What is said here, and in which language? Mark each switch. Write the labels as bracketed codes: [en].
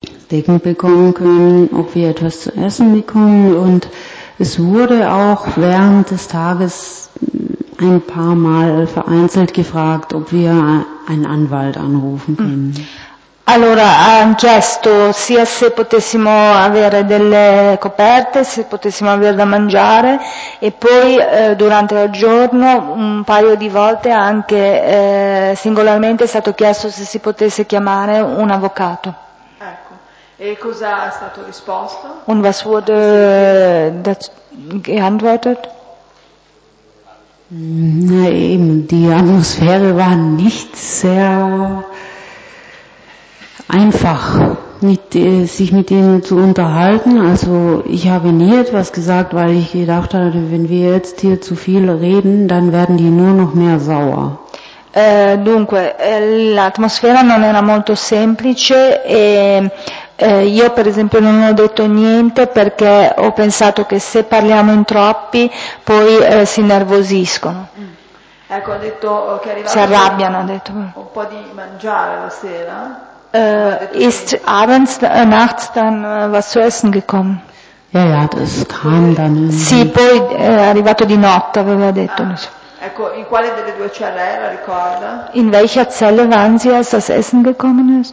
[de] Decken bekommen können, ob wir etwas zu essen bekommen. Und es wurde auch während des Tages ein paar Mal vereinzelt gefragt, ob wir einen Anwalt anrufen können. [it] Allora ha chiesto sia se potessimo avere delle coperte, se potessimo avere da mangiare e poi durante il giorno un paio di volte anche singolarmente è stato chiesto se si potesse chiamare un avvocato. Ecco, e cosa è stato risposto? [de] Und was wurde geantwortet? Na eben, die Atmosphäre war nicht sehr einfach, sich mit ihnen zu unterhalten. Also ich habe nie etwas gesagt, weil ich gedacht hatte, wenn wir jetzt hier zu viel reden, dann werden die nur noch mehr sauer. [it] Dunque, l'atmosfera non era molto semplice e io per esempio non ho detto niente perché ho pensato che se parliamo in troppi poi si innervosiscono. Ecco, ha detto che arrivava. Si arrabbiano, ha detto. Un po' di mangiare la sera. [de] Ist abends, nachts dann was zu essen gekommen? Ja, ja, das kam dann. [it] Sì, poi è arrivato di notte, aveva detto. [de] Ah, so. [it] Ecco, in quale delle due celle era, ricorda? [de] In welcher Zelle waren sie, als das Essen gekommen ist?